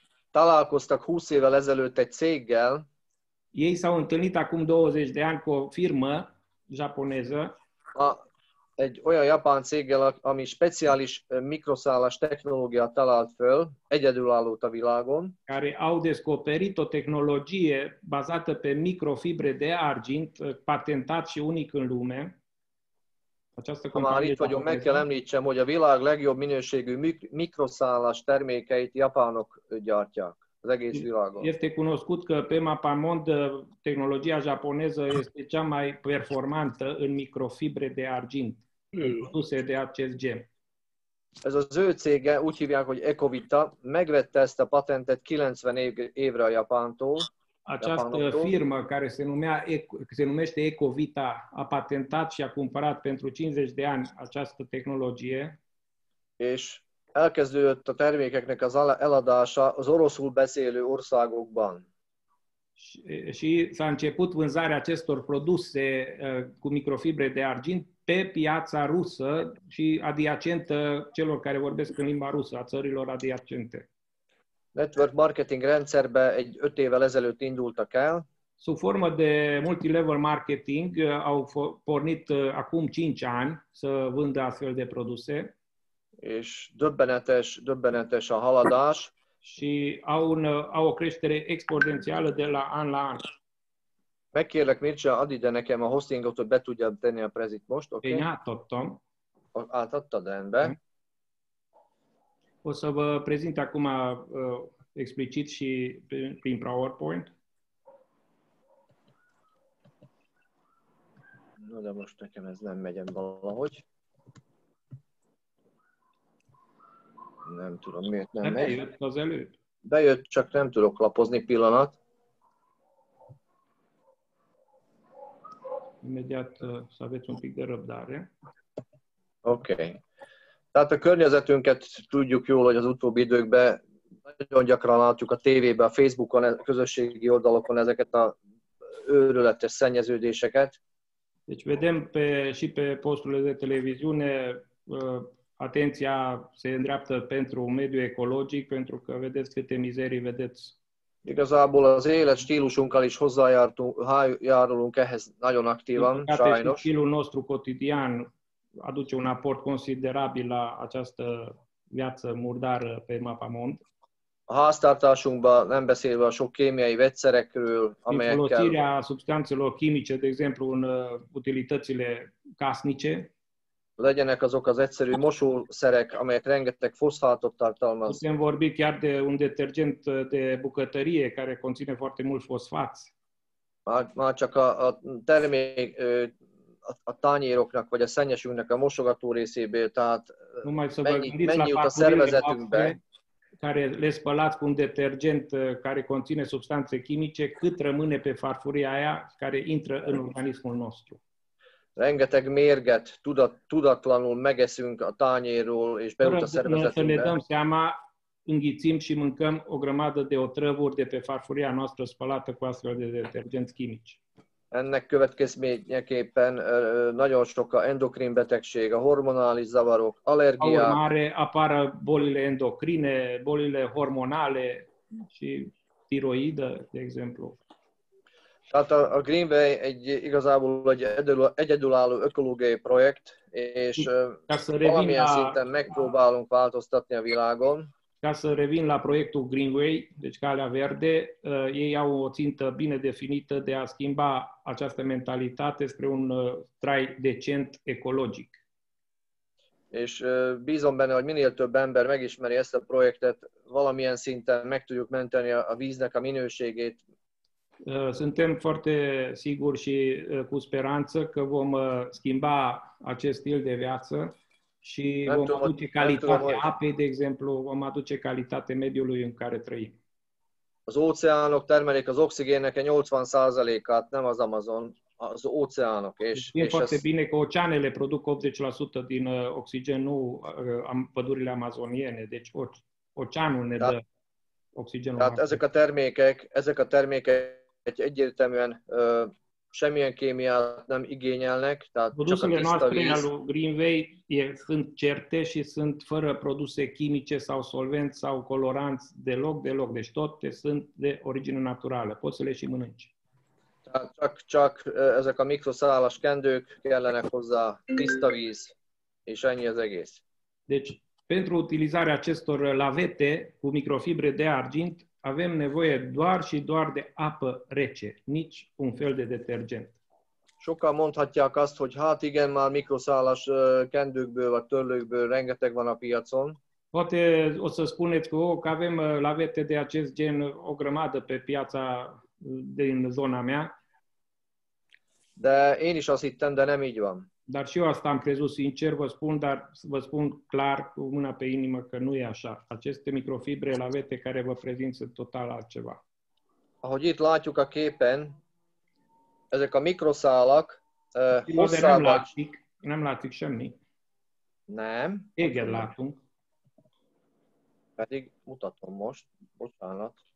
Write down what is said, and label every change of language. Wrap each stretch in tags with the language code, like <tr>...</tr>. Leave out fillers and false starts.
<hu>Találkoztak 20 évvel ezelőtt egy céggel.</hu> <ro>Ei s-au întâlnit acum 20 de ani cu o firmă japoneză.</ro> <hu>Egy olyan japán céggel, ami speciális mikroszálas technológiát talált föl, egyedülálló a világon.</hu> <ro>Care au descoperit o tehnologie bazată pe microfibre de argint, patentat și unic în lume.</ro> <hu>Ha már itt vagyunk, meg kell említsem, hogy a világ legjobb minőségű mikroszálas termékeit japánok gyártják az egész világon.</hu> <ro>Este cunoscut că pe mapa mond tehnologia japoneză este cea mai performantă în microfibre de argint, produse de acest gen.</ro> <hu>Ez az ő cége, úgy hívják, hogy Ecovita, megvette ezt a patentet 90 évre a Japántól.</hu> <ro>Această firmă care se numește Ecovita a patentat și a cumpărat pentru 50 de ani această tehnologie.</ro> <hu>És elkezdődött a termékeknek az eladása az oroszul beszélő országokban.</hu> <ro>Și s-a început vânzarea acestor produse cu microfibre de argint pe piața rusă și adiacentă celor care vorbesc în limba rusă, a țărilor adiacente.</ro> <hu>Network marketing rendszerbe egy 5 évvel ezelőtt indultak el.</hu> <ro>Sub formă de multilevel marketing au pornit acum 5 ani să vândă astfel de produse.</ro> <hu>És döbbenetes a haladás.</hu> <ro>Și au o creștere exponențială de la an la an.</ro> <hu>Megkérlek, Mircea, add ide nekem a hostingot, hogy be tudjam tenni a prezit most, oké? Én átadtam. Átadtad rendbe.</hu> <ro>O să vă prezint acum explicit și prin PowerPoint. Nu, dar măștă că mi-a zis, nu mergem</ro> <hu>valahogy. Nem tudom, miért nem megy. Bejött az előtt? Bejött, csak nem tudok lapozni pillanat.</hu> <ro>Imediat savet un pic de răbdare.</ro> <hu>Oké. Tehát a környezetünket tudjuk jól, hogy az utóbbi időkben nagyon gyakran látjuk a tévében, a Facebookon, a közösségi oldalokon ezeket a őrületes szennyeződéseket.</hu> <ro>Deci vedem pe și pe posturile de televiziune atenția se îndreaptă pentru mediul ecologic, pentru că vedeți câte mizerii vedeți.</ro> <hu>Igazából az élet stílusunkkal is hozzájárulunk ehhez nagyon aktívan, sajnos. A stílusunk</hu> <ro>nostru cotidian aduce un aport considerabil la această viață murdară pe mapa mond.</ro> <hu>A háztartásunkban nem beszélve a sok kémiai vegyszerekről, amelyekkel...</hu> <ro>Folosirea substanțelor chimice, de exemplu, în utilitățile casnice.</ro> <hu>Legyenek azok az egyszerű mosószerek, amelyek rengeteg foszfátot tartalmaz.</hu> <ro>Putem vorbi chiar de un detergent de bucătărie, care conține foarte mult fosfát.</ro> <hu>Már csak a termék, a tányéroknak, vagy a szennyesünknek a mosogató részéből, tehát mennyi jut a szervezetünkbe.</hu> <ro>Care le spălați cu un detergent care conține substanțe chimice, cât rămâne pe farfuria aia care intră în organismul nostru.</ro> <hu>Rengeteg mérget tudatlanul megeszünk a tányérról és beut a szervezetünkbe.</hu> <ro>Să ne dăm seama, înghițim și mâncăm o grămadă de otrăvuri de pe farfuria noastră spălată cu astfel de detergenți chimici.</ro> <hu>Ennek következményeképpen nagyon sok a endokrin betegség, a hormonális zavarok, allergiák. Ahol már</hu> <ro>apară bolile endokrine, bolile hormonale, și tiroidă, de exemplu.</ro> <hu>Tehát a Greenway egy igazából egy egyedülálló ökológiai projekt, és valamilyen szinten megpróbálunk változtatni a világon.</hu> <ro>Ca să revin la proiectul Greenway, deci Calea Verde, ei au o țintă bine definită de a schimba această mentalitate spre un trai decent ecologic.</ro> <hu>És bízom benne, hogy minél több ember megismeri ezt a projektet, valamilyen szinten meg tudjuk menteni a víznek a minőségét.</hu> <ro>Suntem foarte siguri și cu speranță că vom schimba acest stil de viață. Și vom aduce calitate apei, de exemplu, vom aduce calitate mediului în care trăim.</ro> <hu>Az óceánok termelik az oxigénnek a 80%-át, nem az Amazon, az óceánok.</hu> <ro>Știm foarte bine că oceanele produc 80% din oxigenul pădurile amazoniene, deci oceanul ne dă oxigenul.</ro> <hu>Tehát ezek a termékek egyértelműen semmilyen kémiát nem igényelnek, tehát</hu> <ro>produsele</ro> <hu>csak a tiszta víz.</hu> <ro>Produsele Greenway sunt certe și sunt fără produse chimice sau solvenți sau coloranți deloc, deci toate sunt de origine naturală. Poți să le și mănânci.</ro> <hu>Tehát csak ezek a mikroszálas kendők kellenek hozzá, tiszta víz, és ennyi az egész.</hu> <ro>Deci, pentru utilizarea acestor lavete cu microfibre de argint, avem nevoie doar și doar de apă rece, nici un fel de detergent.</ro> <hu>Sokan mondhatják azt, hogy hát igen, már mikroszálas kendőkből vagy törlőkből rengeteg van a piacon.</hu> <ro>Poate o să spuneți că, că avem lavete de acest gen o grămadă pe piața din zona mea.</ro> <hu>De én is azt hittem, de nem így van.</hu> <ro>Dar și eu asta am crezut sincer, vă spun, dar vă spun clar, cu mâna pe inimă, că nu e așa. Aceste microfibre lavete care vă prezint sunt total altceva.</ro> <hu>Ahogy itt látjuk a képen, ezek a mikroszálak hosszábbak. Nem látszik semmi. Nem. Téged látunk. Pedig mutatom most, bocsánat.</hu>